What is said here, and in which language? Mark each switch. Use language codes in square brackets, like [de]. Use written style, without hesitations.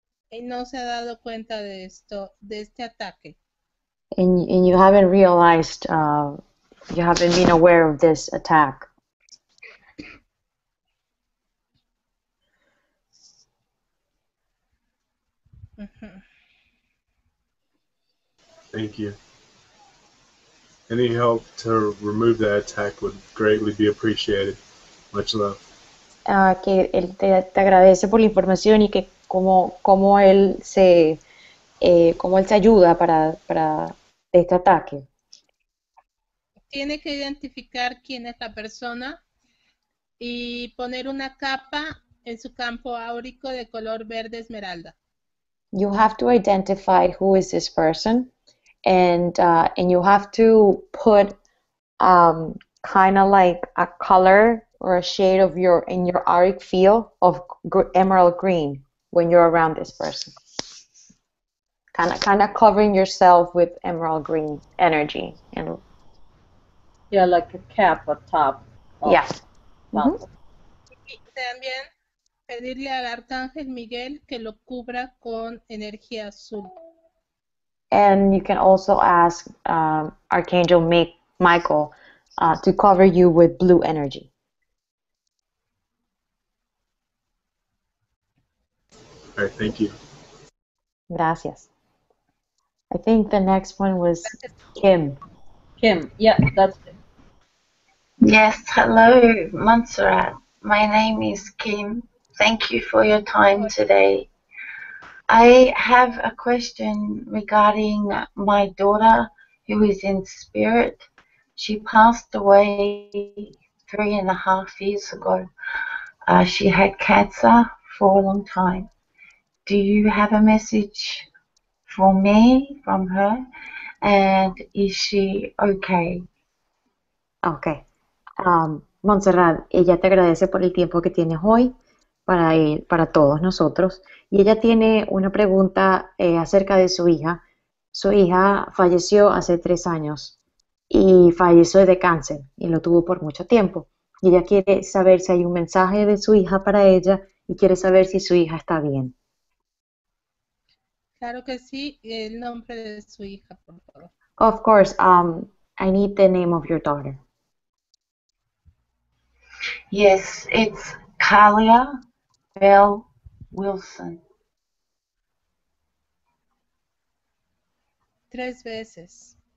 [es] Y no se ha dado cuenta de esto, de este ataque. [en] And you haven't realized, you haven't been aware of this attack. Thank you. Any help to remove that attack would greatly be appreciated. Much love. [es] Que él te agradece por la información y que cómo él se ayuda para este ataque. Tiene que identificar quién es la persona y poner una capa en su campo áurico de color verde esmeralda. [en] You have to identify who is this person. And you have to put kind of like a color or a shade of your in your auric field of emerald green when you're around this person. Kind of covering yourself with emerald green energy. And yeah, like a cap on top. Yeah. [es] También pedirle al Arcángel Miguel que lo cubra con energía azul. [en] And you can also ask Archangel Michael to cover you with blue energy. All right, thank you. [es] Gracias. [en] I think the next one was Kim. Kim, yeah, that's it. Yes, hello, Montserrat. My name is Kim. Thank you for your time today. I have a question regarding my daughter who is in spirit. She passed away 3.5 years ago. She had cancer for a long time. Do you have a message for me from her? And is she okay? Okay. [es] Montserrat, ella te agradece por el tiempo que tienes hoy. Para todos nosotros, y ella tiene una pregunta acerca de su hija. Su hija falleció hace 3 años, y falleció de cáncer, y lo tuvo por mucho tiempo. Y ella quiere saber si hay un mensaje de su hija para ella, y quiere saber si su hija está bien. Claro que sí, el nombre de su hija, por favor. [en] Of course, I need the name of your daughter. Yes, it's Kalia Bell Wilson. [es] 3 veces.